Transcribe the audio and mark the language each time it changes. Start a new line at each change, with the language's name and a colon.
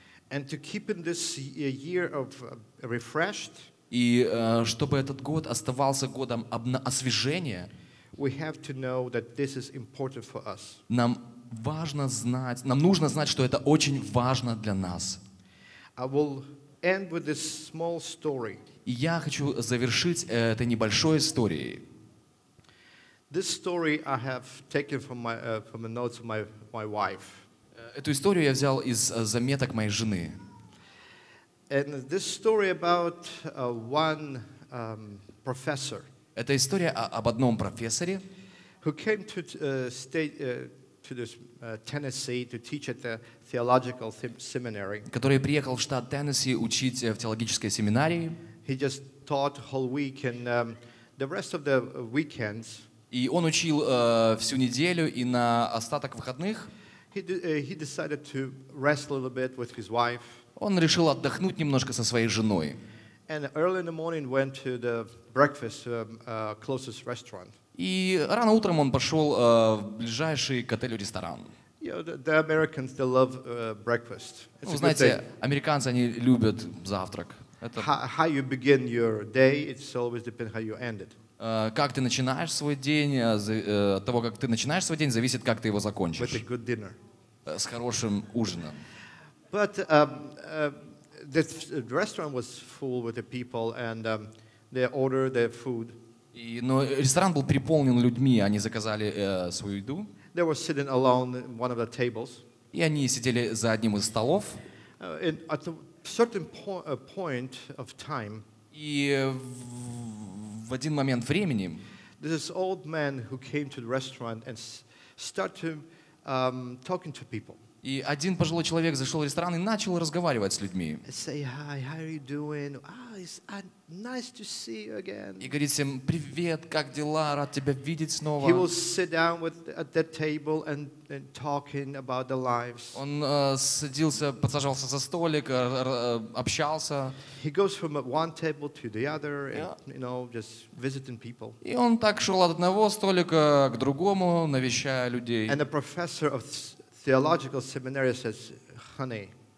English: And to keep in this year of refreshed,
Russian: и чтобы этот год оставался годом освежения,
English: we have to know that this is important for us.
Russian: Нам важно знать, нам нужно знать, что это очень важно для нас.
English: I will end with this small story.
Russian: И я хочу завершить этой небольшой историей.
English: This story I have taken from the notes of my wife.
Russian: Эту историю я взял из заметок моей жены.
English: And this story about one professor.
Russian: Это история об одном профессоре,
English: who came to state to this Tennessee to teach at the theological seminary.
Russian: Который приехал в штат Теннесси учить в теологической семинарии.
English: He just taught whole week and the rest of the weekends.
Russian: И он учил всю неделю и на остаток выходных.
English: He decided to rest a little bit with his wife.
Russian: Он решил отдохнуть немножко со своей женой.
English: And early in the morning went to the breakfast closest restaurant.
Russian: И рано утром он пошел в ближайший к отелю ресторан.
English: You know, the Americans they love breakfast.
Russian: Ну, знаете, американцы они любят завтрак. Это
English: how you begin your day, it always depends how you end it.
Russian: Как ты начинаешь свой день, от того, как ты начинаешь свой день, зависит, как ты его закончишь. С хорошим ужином.
English: But the restaurant was full with the people, and they ordered their food.
Russian: Но ресторан был переполнен людьми, они заказали свою еду.
English: They were sitting alone at one of the tables.
Russian: И они сидели за одним из столов.
English: And at a certain point of time.
Russian: И в один момент времени
English: this old man who came to the restaurant and start to talking to people.
Russian: И один пожилой человек зашел в ресторан и начал разговаривать с людьми.
English: Say hi, how are you doing? It's nice to see you again.
Russian: И говорит всем привет, как дела, рад тебя видеть снова.
English: He will sit down at that table and talking about the lives.
Russian: Он садился, подсаживался за столик, общался.
English: He goes from one table to the other, and, you know, just visiting people.
Russian: И он так шел от одного столика к другому, навещая людей.
English: And the professor of theological seminary says, "Honey."